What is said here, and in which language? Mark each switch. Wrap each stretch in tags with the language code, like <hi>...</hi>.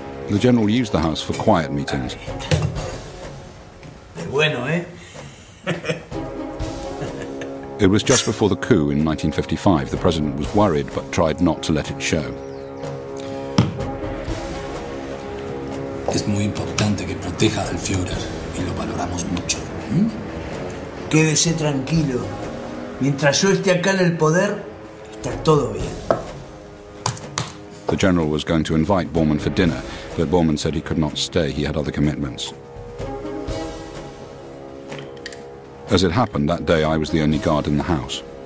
<en>The general used the house for quiet meetings.</en> <es>Bueno, ¿eh?</es> <en>It was just before the coup in 1955. The president was worried, but tried not to let it show.</en> <es>Es muy importante que proteja al Führer, y lo valoramos mucho. Quédese tranquilo. Mientras yo esté acá en el poder, está todo bien.</es> <en>The general was going to invite Bormann for dinner, but Bormann said he could not stay. He had other commitments. As it happened, that day I was the only guard in the house.</en>